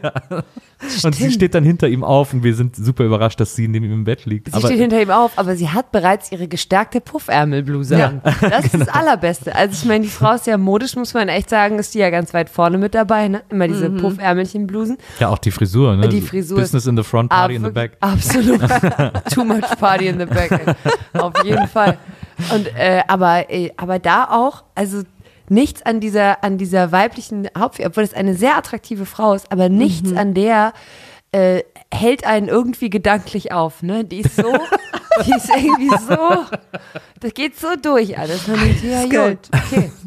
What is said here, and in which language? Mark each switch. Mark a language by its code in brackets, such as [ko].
[de] Ja. Und sie steht dann hinter ihm auf und wir sind super überrascht, dass sie neben ihm im Bett liegt. Sie aber steht hinter ihm auf, aber sie hat bereits ihre gestärkte Puffärmelbluse ja. an. Das genau. ist das Allerbeste. Also ich meine, die Frau ist ja modisch, muss man echt sagen, ist die ja ganz weit vorne mit dabei, ne? Immer diese mhm. Puffärmelchenblusen. Ja, auch die Frisur, ne? Die Frisur. [en] Business in the front, party in the back. [de] Absolut. [en] Too much party in the back. [de] Auf jeden Fall. Und aber da auch, also nichts an dieser weiblichen Hauptfigur, obwohl es eine sehr attraktive Frau ist, aber nichts mhm. an der hält einen irgendwie gedanklich auf. Ne? Die ist so, die ist irgendwie so, das geht so durch alles. Man denkt, ja, gut, okay.